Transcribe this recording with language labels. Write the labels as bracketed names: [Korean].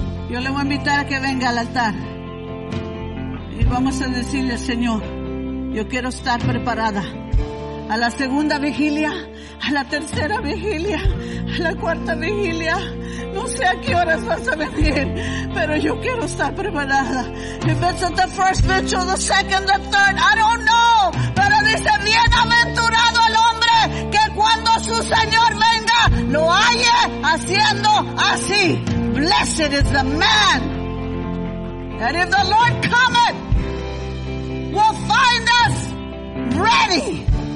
[Spanish] Yo le voy a invitar a que venga al altar. Y vamos a decirle al Señor, yo quiero estar preparada. A la segunda vigilia, a la tercera vigilia, a la cuarta vigilia. No sé a qué horas vas a venir, pero yo quiero estar preparada. [English] If it's at the first vigil, the second, the third, I don't know. [Spanish] Pero dice, bienaventurado el hombre que cuando su Señor venga, lo halle haciendo así. [English] Blessed is the man that if the Lord cometh, will find us ready.